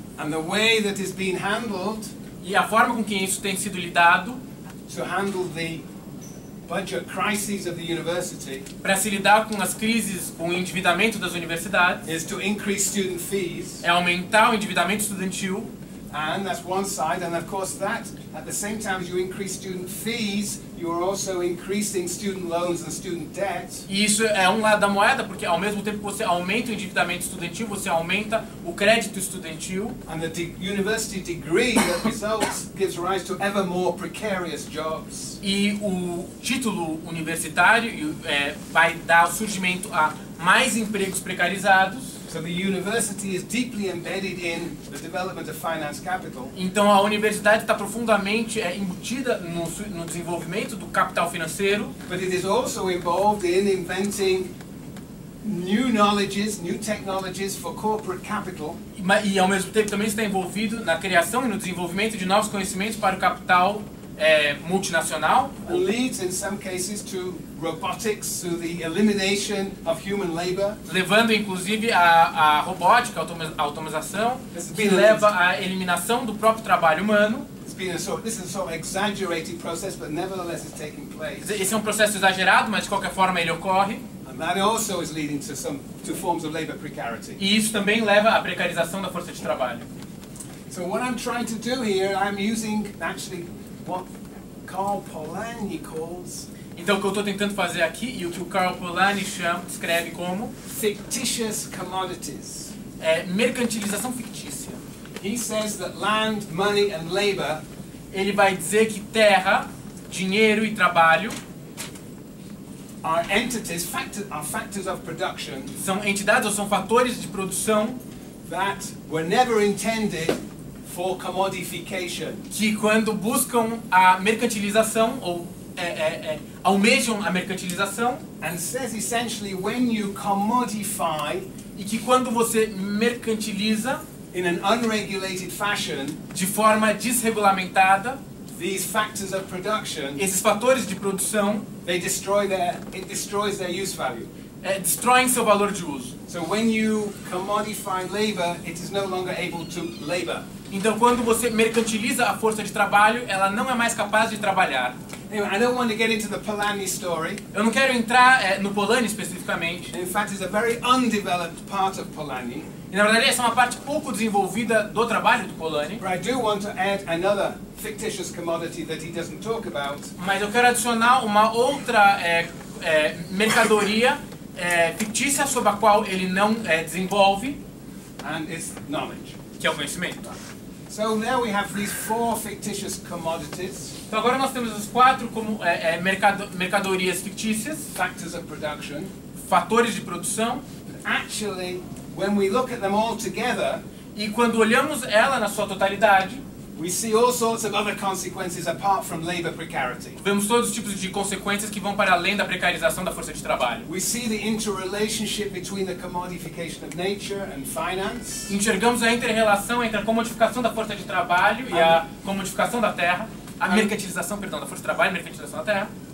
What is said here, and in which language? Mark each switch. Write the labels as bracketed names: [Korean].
[English] And the way that is being handled, [Portuguese] e a forma com que isso tem sido lidado, [English] to handle the budget crises of the university, [Portuguese] para se lidar com as crises, com o endividamento das universidades, [English] is to increase student fees, [Portuguese] é aumentar o endividamento estudantil. [English] And that's one side, and of course that, at the same time as you increase student fees, you are also increasing student loans and student debt. [Portuguese] E isso é um lado da moeda, porque ao mesmo tempo que você aumenta o endividamento estudantil, você aumenta o crédito estudantil. [English] And the university degree that results gives rise to ever more precarious jobs. [Portuguese] E o título universitário vai dar surgimento a mais empregos precarizados. [English] So the university is deeply embedded in the development of finance capital. [Portuguese] Então a universidade está profundamente embutida no desenvolvimento do capital financeiro. [English] But it is also involved in inventing new knowledges, new technologies for corporate capital. [Portuguese] E ao mesmo tempo também está envolvido na criação e no desenvolvimento de novos conhecimentos para o capital multinacional. [English] And leads in some cases to robotics, to the elimination of human labor. [Portuguese] Levando inclusive a robótica, a automação, que leva à eliminação do próprio trabalho humano. [English] This is a sort of exaggerated process, but nevertheless it's taking place. [Portuguese] Esse é um processo exagerado, mas de qualquer forma ele ocorre. [English] And that also is leading to some forms of labor precarity. [Portuguese] E isso também leva à precarização da força de trabalho. [English] So what I'm trying to do here, I'm using actually what Karl Polanyi calls. [Portuguese] Então o que eu estou tentando fazer aqui e o que o Karl Polanyi descreve como [English] fictitious commodities. [Portuguese] É mercantilização fictícia. [English] He says that land, money and labor, [Portuguese] ele vai dizer que terra, dinheiro e trabalho [English] are entities, factors of production, [Portuguese] são entidades ou são fatores de produção [English] that were never intended for commodification. [Portuguese] Que quando buscam a mercantilização ou almejam a mercantilização. [English] And says essentially when you commodify, [Portuguese] e que quando você mercantiliza [English] in an unregulated fashion, [Portuguese] de forma desregulamentada, [English] these factors of production, [Portuguese] esses fatores de produção, [English] they destroy it destroys their use value. Destroying [Portuguese] seu valor de uso. [English] So when you commodify labor, it is no longer able to labor. [Portuguese] Então quando você mercantiliza a força de trabalho, ela não é mais capaz de trabalhar. [English] Anyway, I don't want to get into the Polanyi story. [Portuguese] Eu não quero entrar no Polanyi especificamente. [English] In fact, it's a very undeveloped part of Polanyi. [Portuguese] E na verdade essa é uma parte pouco desenvolvida do trabalho do Polanyi. [English] But I do want to add another fictitious commodity that he doesn't talk about. [Portuguese] Mas eu quero adicionar uma outra mercadoria fictícia sobre a qual ele não desenvolve. [English] And it's knowledge. [Portuguese] Que é o conhecimento. [English] So now we have these four fictitious commodities. [Portuguese] Então agora nós temos os quatro como mercadorias fictícias. [English] Factors of production. [Portuguese] Fatores de produção. [English] Actually, when we look at them all together, [Portuguese] e quando olhamos ela na sua totalidade, [English] we see all sorts of other consequences apart from labor precarity. [Portuguese] Vemos todos os tipos de consequências que vão para além da precarização da força de trabalho. [English] We see the interrelationship between the commodification of nature and finance. [Portuguese] Enxergamos a inter-relação entre a comodificação da força de trabalho e a comodificação da terra, da força de trabalho e a mercantilização da terra.